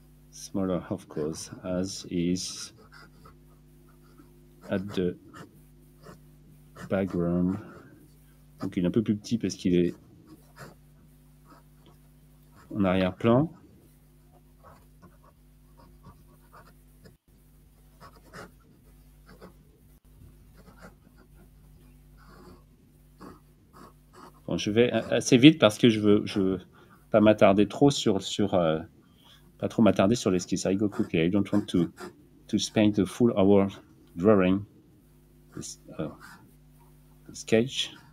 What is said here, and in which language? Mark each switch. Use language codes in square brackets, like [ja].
[en] Smaller, of course, as is at the background. [fr] Donc, il est un peu plus petit parce qu'il est en arrière-plan. Bon, je vais assez vite parce que je veux pas trop m'attarder sur l'esquisse. [en] I go quickly. I don't want to spend the full hour drawing this sketch.